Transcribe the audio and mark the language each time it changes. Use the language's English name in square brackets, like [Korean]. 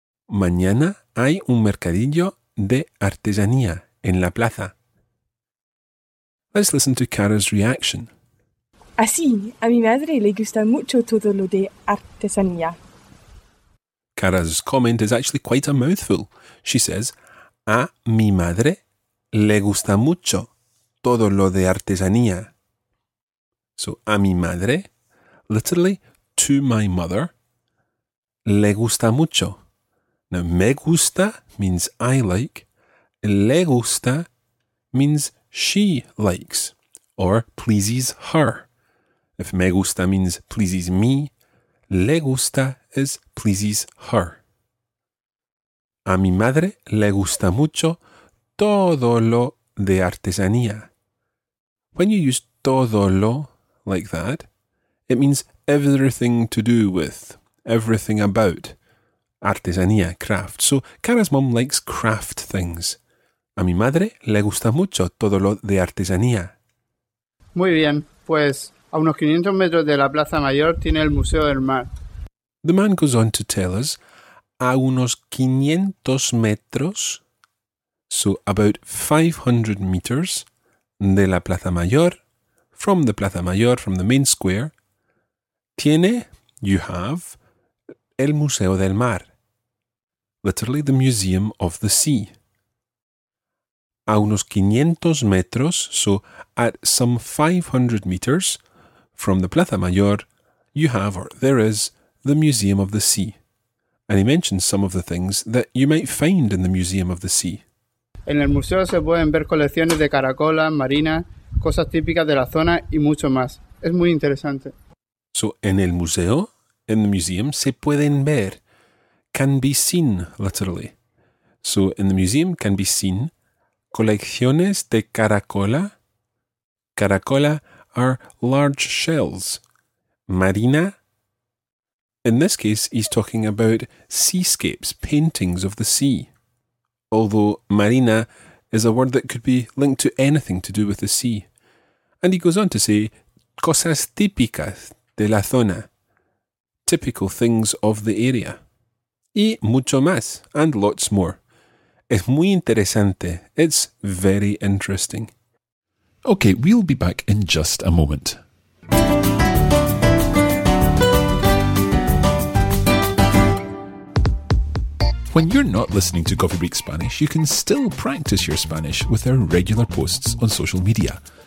[Spanish] Mañana hay un mercadillo de artesanía en la plaza. [English] Let's listen to Cara's reaction. [Spanish] Ah, sí, a mi madre le gusta mucho todo lo de artesanía. [English] Cara's comment is actually quite a mouthful. She says, [Spanish] a mi madre le gusta mucho todo lo de artesanía. So, a mi madre, [English] literally, to my mother, [Spanish] le gusta mucho. [English] Now, me gusta means I like, le gusta means she likes or pleases her. If me gusta means pleases me, le gusta is pleases her. [Spanish] A mi madre le gusta mucho todo lo de artesanía. [English] When you use todo lo like that, it means everything to do with, everything about artesanía, craft. So, Cara's mom likes craft things. [Spanish] A mi madre le gusta mucho todo lo de artesanía. Muy bien, pues a unos 500 metros de la Plaza Mayor tiene el Museo del Mar. [English] The man goes on to tell us, [Spanish] a unos 500 metros, [English] so about 500 meters, [Spanish] de la Plaza Mayor, [English] from the Plaza Mayor, from the main square, tiene, you have, [Spanish] el Museo del Mar, [English] literally the Museum of the Sea. [Spanish] A unos 500 metros, [English] so at some 500 meters from the Plaza Mayor, you have, or there is, the Museum of the Sea. And he mentions some of the things that you might find in the Museum of the Sea. [Spanish] En el museo se pueden ver colecciones de caracola, marina, cosas típicas de la zona y mucho más. Es muy interesante. [English] So, [Spanish] en el museo, [English] in the museum, [Spanish] se pueden ver, [English] can be seen, literally. So, in the museum can be seen [Spanish] colecciones de caracola. [English] Caracola are large shells. Marina. In this case, he's talking about seascapes, paintings of the sea. Although marina is a word that could be linked to anything to do with the sea. And he goes on to say, [Spanish] cosas típicas de la zona. [English] Typical things of the area. [Spanish] Y mucho más, [English] and lots more. [Spanish] Es muy interesante. [English] It's very interesting. Okay, we'll be back in just a moment. When you're not listening to Coffee Break Spanish, you can still practice your Spanish with our regular posts on social media.